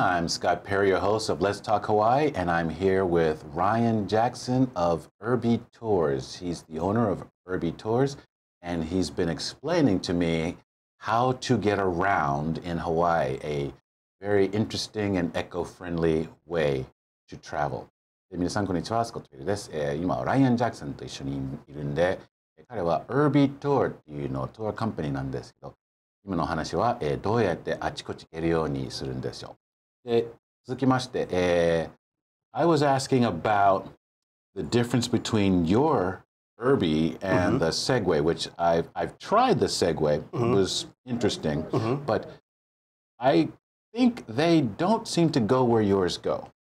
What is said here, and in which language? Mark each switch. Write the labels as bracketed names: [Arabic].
[English] I'm Scott Perry, your host of Let's Talk Hawaii, and I'm here with Ryan Jackson of URB-e Tours. He's the owner of URB-e Tours, and he's been explaining to me how to get around in Hawaii, a very interesting and eco-friendly way to travel. [Japanese] 皆さん、こんにちは。スコット・ピルです。今、ライアン・ジャクソンと一緒にいるんで、彼は URB-e Tour っていうのをツアーカンパニーなんですけど、今の話は、どうやってあちこち行けるようにするんでしょう。で、続きまして、 [English] I was asking about the difference between your URB-e and、mm-hmm. the Segway, which I've tried the Segway.、Mm-hmm. It was interesting,、mm-hmm. but I think they don't seem to go where yours go.